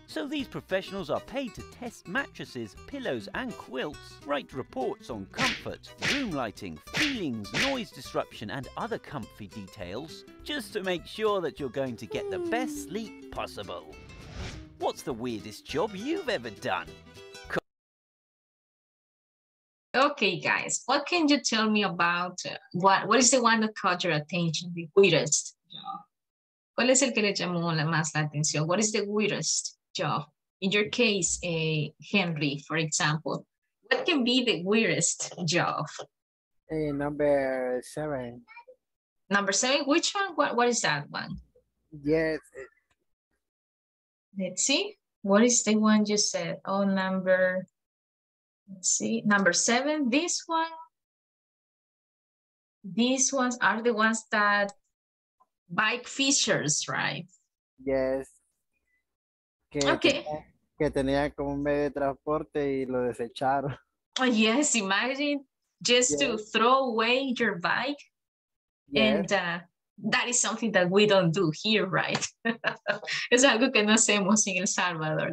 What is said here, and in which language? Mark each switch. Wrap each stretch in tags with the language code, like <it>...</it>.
<en>So these professionals are paid to test mattresses, pillows and quilts, write reports on comfort, room lighting, feelings, noise disruption and other comfy details, just to make sure that you're going to get the best sleep possible. What's the weirdest job you've ever done? Okay, guys, what can you tell me about what is the one that caught your attention, the weirdest job?</en> <es>¿Cuál es el que le llamó la más la atención?</es> <en>What is the weirdest job? In your case, Henry, for example, what can be the weirdest job? Number 7. Number 7, which one? What is that one? Yes. Let's see. What is the one you said? Oh, number, let's see. Number 7, this one. These ones are the ones that bike fishers, right? Yes.</en> <es>Que okay. Que tenía como un medio de transporte y lo desecharon.</es> <en>Yes, imagine just yes. To throw away your bike. Yes. And that is something that we don't do here, right?</en> <es>Es algo que no hacemos en El Salvador.</es>